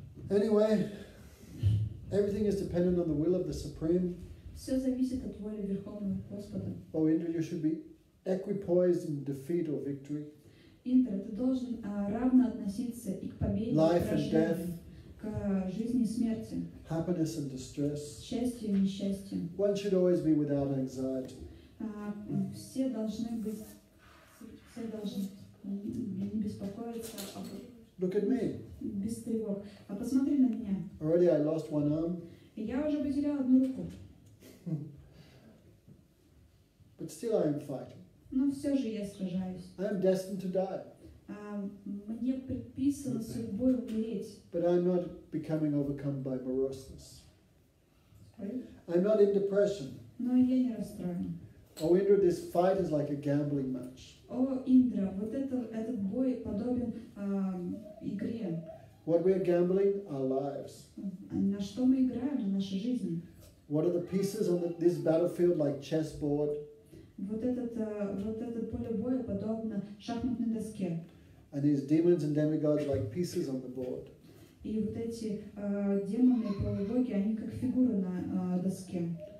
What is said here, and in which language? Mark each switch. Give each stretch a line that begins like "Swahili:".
English: Anyway, everything is dependent on the will of the Supreme.
Russian: Все зависит от воли Верховного Господа.
English: О, Индра, you should be equipoised in defeat or victory.
Russian: Индра, ты должен равно относиться и к победе,
English: life
Russian: и к
English: death,
Russian: к жизни и смерти.
English: Happiness and distress.
Russian: Счастье и несчастье.
English: One should always be without anxiety.
Russian: Все должны быть, все должны не беспокоиться.
English: Look at me.
Russian: Без тревог. А посмотри на меня.
English: Already I lost one arm.
Russian: Я уже потерял одну руку.
English: But still I am fighting.
Russian: Но все же я сражаюсь.
English: I am destined to die.
Russian: Мне предписано судьбой умереть.
English: But I'm not becoming overcome by moroseness. I'm not in depression.
Russian: Но я не расстроен.
English: Oh Indra, this fight is like a gambling match.
Russian: Oh Indra, вот этот бой подобен игре.
English: What we are gambling? Our lives.
Russian: На что мы играем? На нашу жизнь.
English: What are the pieces on this battlefield like chessboard?
Russian: Вот это поле боя подобно шахматной доске.
English: And these demons and demigods like pieces on the board.
Russian: И вот эти демоны и полубоги, они как фигуры на доске.